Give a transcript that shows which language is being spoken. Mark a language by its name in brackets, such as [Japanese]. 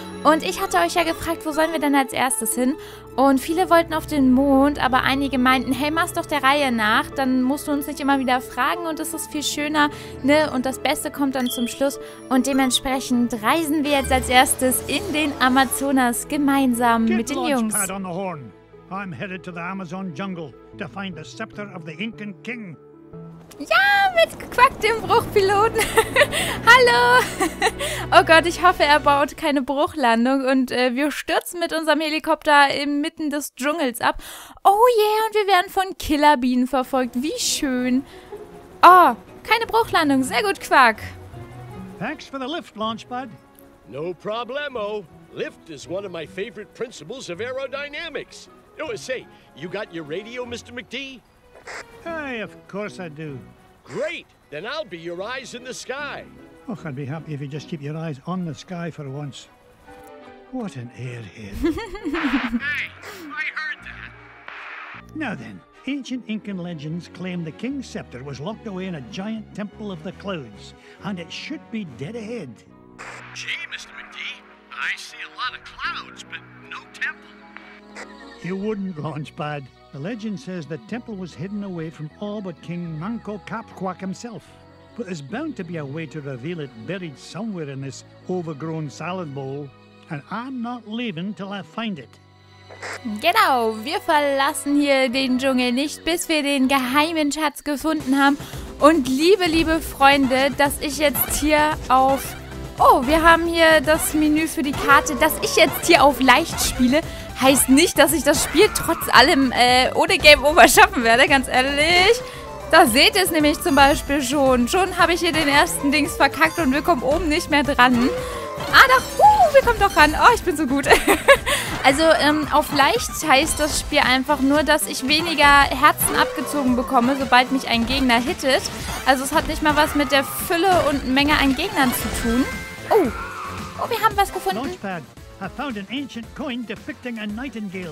[German] Und ich hatte euch ja gefragt, wo sollen wir denn als erstes hin? Und viele wollten auf den Mond, aber einige meinten, hey, mach's doch der Reihe nach, dann musst du uns nicht immer wieder fragen und es ist viel schöner, ne? Und das Beste kommt dann zum Schluss. Und dementsprechend reisen wir jetzt als erstes in den Amazonas gemeinsam mit den Jungs. [English] I'm headed to the Amazon jungle to find the scepter of the Incan king. [German] Ja, mit Quack, dem Bruchpiloten. Hallo. Oh Gott, ich hoffe, er baut keine Bruchlandung und wir stürzen mit unserem Helikopter inmitten des Dschungels ab. Oh yeah, und wir werden von Killerbienen verfolgt. Wie schön. Oh, keine Bruchlandung. Sehr gut, Quack. [English] Thanks for the lift, Launchpad. No problemo. Lift is one of my favorite principles of aerodynamics. Oh, say, you got your radio, Mr. McD? Hey, of course I do. Great! Then I'll be your eyes in the sky. Oh, I'd be happy if you just keep your eyes on the sky for once. What an airhead. Hey, I heard that. Now then, ancient Incan legends claim the king's scepter was locked away in a giant temple of the clouds, and it should be dead ahead. Gee, Mr. McD, I see a lot of clouds, but no temple. You wouldn't, Launchpad. The legend says the temple was hidden away from all but King Manco Capquack himself. But there's bound to be a way to reveal it buried somewhere in this overgrown salad bowl. And I'm not leaving till I find it. [German] Genau, wir verlassen hier den Dschungel nicht, bis wir den geheimen Schatz gefunden haben. Und liebe Freunde, dass ich jetzt hier auf... Oh, wir haben hier das Menü für die Karte, dass ich jetzt hier auf leicht spiele. Heißt nicht, dass ich das Spiel trotz allem ohne Game Over schaffen werde, ganz ehrlich. Da seht ihr es nämlich zum Beispiel schon. Schon habe ich hier den ersten Dings verkackt und wir kommen oben nicht mehr dran. Ah, doch, wir kommen doch ran. Oh, ich bin so gut. Also, auf leicht heißt das Spiel einfach nur, dass ich weniger Herzen abgezogen bekomme, sobald mich ein Gegner hittet. Also, es hat nicht mal was mit der Fülle und Menge an Gegnern zu tun. Oh, wir haben was gefunden. [English] I found an ancient coin depicting a nightingale.